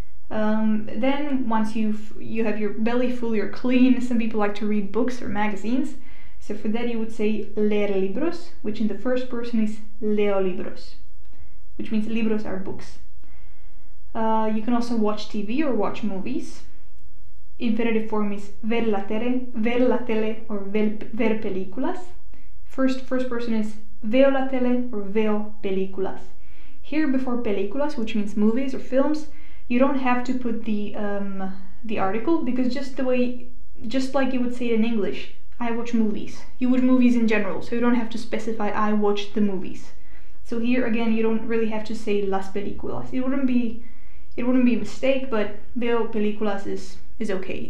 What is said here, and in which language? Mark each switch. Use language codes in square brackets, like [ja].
[en] Then once you have your belly full, you're clean. Some people like to read books or magazines. So for that you would say [es] leer libros, [en] which in the first person is [es] leo libros, [en] which means libros are books. You can also watch TV or watch movies. Infinitive form is [es] ver la tele [en] or [es] ver películas. [en] First person is [es] veo la tele [en] or [es] veo películas. [en] Here before películas, which means movies or films, you don't have to put the article, because just like you would say it in English, I watch movies. You watch movies in general, so you don't have to specify I watch the movies. So here again, you don't really have to say [es] las películas. [en] It wouldn't be a mistake, but [es] veo películas [en] is okay.